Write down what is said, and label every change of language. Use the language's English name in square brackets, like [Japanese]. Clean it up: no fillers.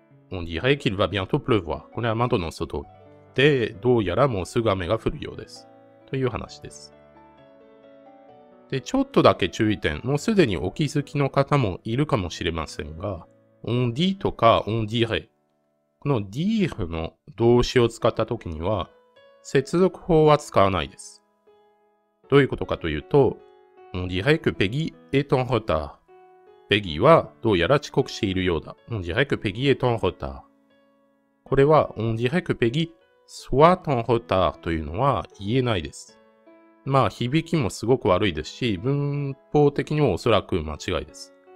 [French] On dirait qu'il va bientôt pleuvoir, [Japanese] これは窓の外で、どうやらもうすぐ雨が降るようです。という話です。で、ちょっとだけ注意点、もうすでにお気づきの方もいるかもしれませんが、 [French] on dit [Japanese] とか [French] on dirait、 [Japanese] この dire の動詞を使った時には、接続法は使わないです。どういうことかというと、 [French] on dirait que Peggy est en retard。 [Japanese] Peggy はどうやら遅刻しているようだ。 [French] on dirait que Peggy est en retard。 [Japanese] これは、 [French] on dirait que Peggy soit en retard [Japanese] というのは言えないです。まあ、響きもすごく悪いですし、文法的にもおそらく間違いです。